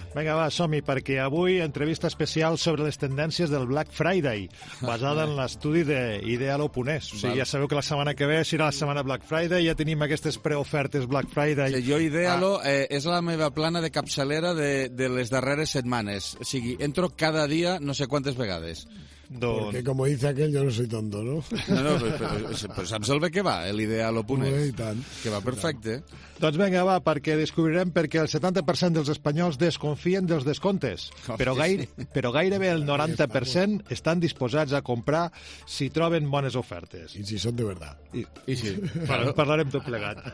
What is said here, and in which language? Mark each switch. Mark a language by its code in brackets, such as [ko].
[ca] Vinga, va, som-hi, perquè avui entrevista especial sobre les tendències del Black Friday, basada en l'estudi d'Ideal Oponés. O sigui, ja sabeu que la setmana que ve serà la setmana Black Friday, ja tenim aquestes preofertes Black Friday. O sigui, jo, Idealo, és la meva plana de capçalera de les darreres setmanes. O sigui, entro cada dia no sé quantes vegades. [es] Porque como dice aquel, yo no soy tonto, ¿no? [ca] No, pero saps el bé que va, l'Ideal Oponés. Ui, tant. Que va perfecte. Doncs vinga, va, perquè descobrirem perquè el 70% dels espanyols desconfien dels descomptes, però gairebé el 90% estan disposats a comprar si troben bones ofertes. I si són de veritat. I sí, bueno, parlarem tot plegat.